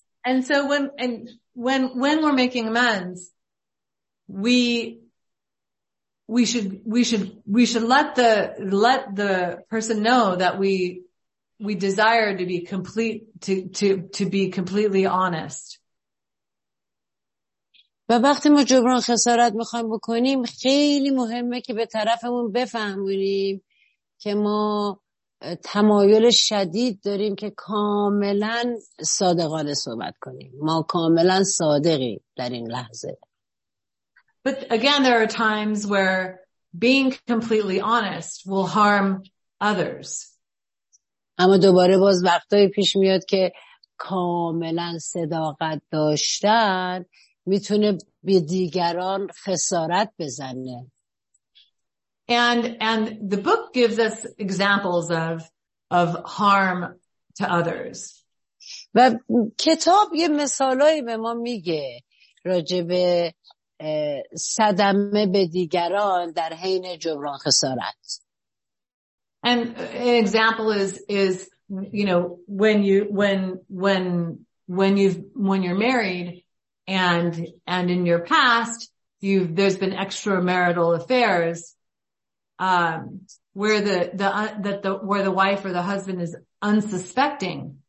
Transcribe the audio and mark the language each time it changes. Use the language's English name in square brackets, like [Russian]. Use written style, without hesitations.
[English] And so when we're making amends, we should let the person know that we desire to be complete to be completely honest. [Persian] و وقتی ما جبران خسارت میخوایم بکنیم خیلی مهمه که به طرفمون بفهمونیم که ما تمایل شدید داریم که کاملا صادقانه صحبت کنیم. ما کاملا صادقی در این لحظه. [English] But again, there are times where being completely honest will harm others. [Persian] اما دوباره باز وقتایی پیش میاد که کاملا صداقت داشتن میتونه به دیگران خسارت بزنه. [English] And the book gives us examples of harm to others. [Persian] و کتاب یه مثالایی به ما میگه راجع به صدمه به دیگران در حین جبران خسارت. [English] And an example is you know when you're married and in your past there's been extramarital affairs where the wife or the husband is unsuspecting.